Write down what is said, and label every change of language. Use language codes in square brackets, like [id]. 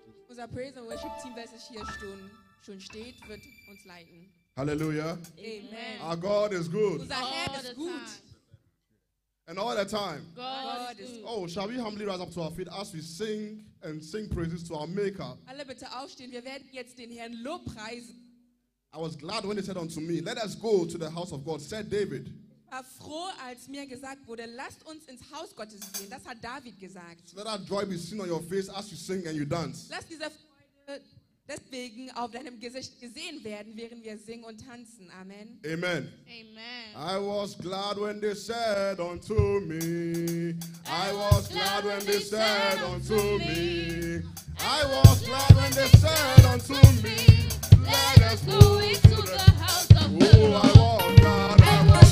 [de] Unser Praise and Worship Team, welches hier schon steht, wird uns leiten. Hallelujah. Amen. [en] Our God is good. [de] Unser all Herr ist gut. [en] And all the time. God is good. Oh, shall we humbly rise up to our feet as we sing and sing praises to our Maker? [de] Alle bitte aufstehen, wir werden jetzt den Herrn Lob preisen. [en] I was glad when he said unto me, let us go to the house of God, said David. [de] Ich war froh, als mir gesagt wurde, lasst uns ins Haus Gottes gehen. Das hat David gesagt. [en] Let that joy be seen on your face as you sing and you dance. [de] Lass diese Freude deswegen auf deinem Gesicht gesehen werden, während wir singen und tanzen. Amen. Amen. Amen. [en] I was glad when they said unto me. I was glad when they said unto me. I was glad when they said unto me. Let us go into the house of the Lord.